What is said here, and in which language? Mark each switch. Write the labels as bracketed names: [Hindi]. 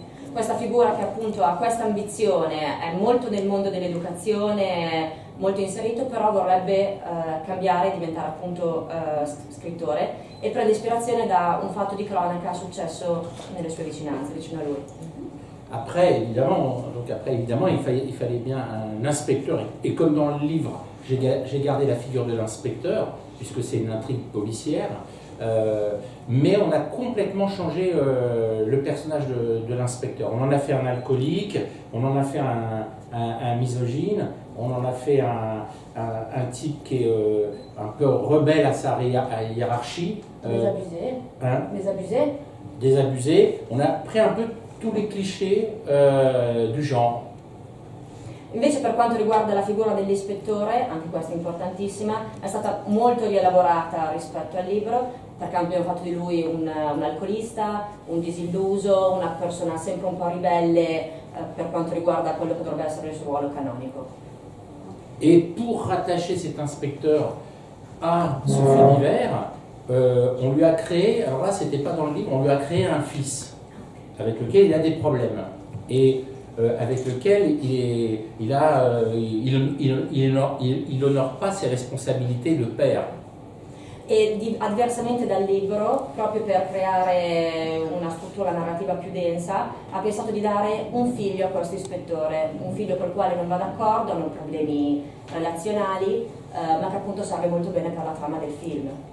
[Italian] Questa figura che appunto ha questa ambizione è molto nel mondo dell'educazione, molto inserito, però vorrebbe cambiare, diventare appunto scrittore e prende ispirazione da un fatto di cronaca successo nelle sue vicinanze, vicino a lui. [French] Après, évidemment, il fallait bien un inspecteur. Et comme dans le livre, j'ai gardé la figure de l'inspecteur, puisque c'est une intrigue policière. Mais on a complètement changé le personnage de l'inspecteur. On en a fait un alcoolique, on en a fait un misogyne, on en a fait un type qui est un peu rebelle à sa hiérarchie. Désabusé. Désabusé. On a pris un peu tous les clichés du genre. [Italian] Invece per quanto riguarda la figura dell'ispettore, anche questa è importantissima, è stata molto rielaborata rispetto al libro, perché abbiamo fatto di lui un alcolista, un disilluso, una persona sempre un po' ribelle per quanto riguarda quello che dovrebbe essere il suo ruolo canonico. [French] E per rattacher cet inspecteur a son fait divers, on lui a créé, alors là c'était pas dans le livre, on lui a créé un fils avec lequel il a des problèmes et avec lequel il n'honore pas ses responsabilités de père. [Italian] E diversamente dal libro, proprio per creare una struttura narrativa più densa, ha pensato di dare un figlio a questo ispettore, un figlio col quale non va d'accordo, hanno problemi relazionali, ma che appunto serve molto bene per la trama del film.